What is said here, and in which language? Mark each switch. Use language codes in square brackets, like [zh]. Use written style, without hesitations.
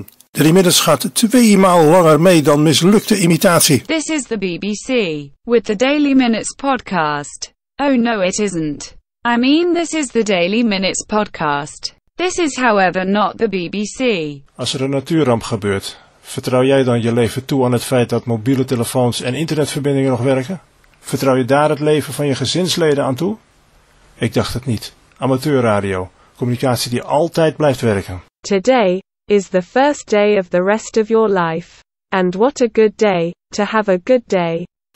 [nl] Er inmiddels gaat 2 maal langer mee dan mislukte imitatie. [en] This is the BBC, with the Daily Minutes podcast. Oh no, it isn't. I mean, this is the Daily Minutes podcast. This is however not the BBC. [nl] Als er een natuurramp gebeurt, vertrouw jij dan je leven toe aan het feit dat mobiele telefoons en internetverbindingen nog werken? Vertrouw je daar het leven van je gezinsleden aan toe? Ik dacht het niet. Amateurradio, communicatie die altijd blijft werken. [en] Today is the first day of the rest of your life. And what a good day to have a good day.